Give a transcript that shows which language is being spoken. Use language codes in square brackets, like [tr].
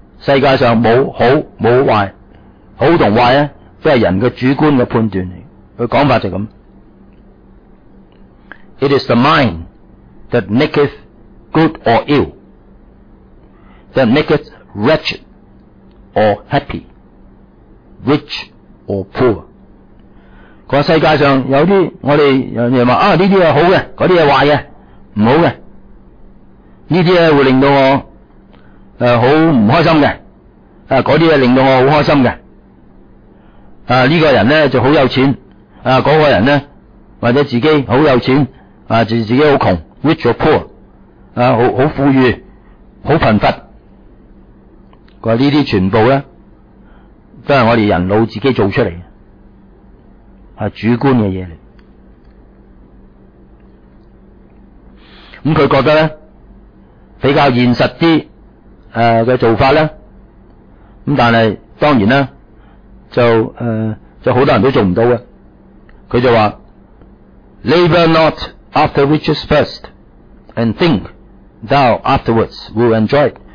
[yue] 世界上冇好冇坏，好同坏咧，都系人嘅主观嘅判断嚟。佢讲法就咁。 [en] It is the mind that maketh good or ill, that maketh wretched or happy, rich or poor。 [yue] 个世界上有啲我哋有人话呢啲系好嘅，嗰啲系坏嘅，唔好嘅。呢啲咧会令到我好唔开心嘅，嗰啲嘢令到我好开心嘅。呢个人咧就好有钱，嗰个人咧或者自己好有钱，自己好穷 ， [en] rich or poor， [yue] 好富裕，好贫乏。佢话呢啲全部咧都系我哋人脑自己做出嚟嘅，系主观嘅嘢嚟。咁佢觉得咧比较现实啲。嘅做法呢，咁但係当然呢就好多人都做唔到嘅。佢就話 [en] ,Labor not after riches first, and think thou afterwards will enjoy it。